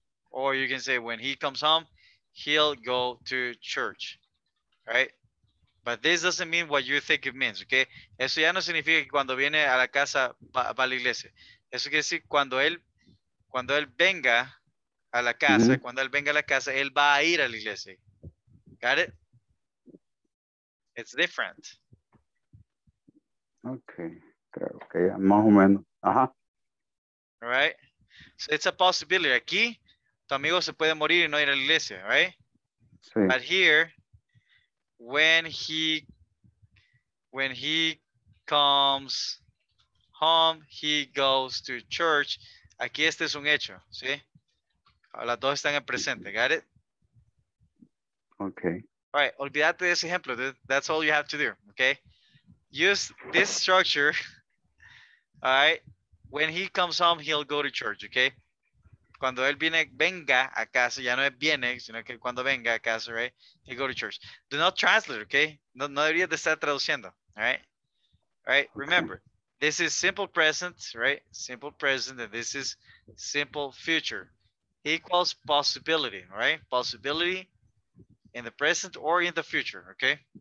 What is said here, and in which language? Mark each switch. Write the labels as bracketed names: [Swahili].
[English] Or you can say, when he comes home, he'll go to church, right? But this doesn't mean what you think it means, okay? [Spanish] Eso ya no significa que cuando viene a la casa va a la iglesia. Eso quiere decir cuando él venga a la casa, mm-hmm. cuando él venga a la casa, él va a ir a la iglesia. [English] Got it? It's different. [Spanish] Okay. Creo que ya, más o menos. Ajá. [English] All right. So it's a possibility. [Spanish] Aquí, tu amigo se puede morir y no ir a la iglesia, right? Sí. [English] But here, when he comes home, he goes to church. [Spanish] Aquí este es un hecho, ¿sí? Las dos están en presente, [English] got it? Okay. All right, [Spanish] olvídate de ese ejemplo, [English] dude. That's all you have to do, okay? Use this structure, all right? When he comes home, he'll go to church, okay? [Spanish] Cuando él venga a casa, ya no es viene, sino que cuando venga a casa, right? [English] He go to church. Do not translate, okay? [Spanish] No debería de estar traduciendo, [English] right? All right, remember, this is simple present, right? Simple present, and this is simple future. Equals possibility, right? Possibility in the present or in the future, okay?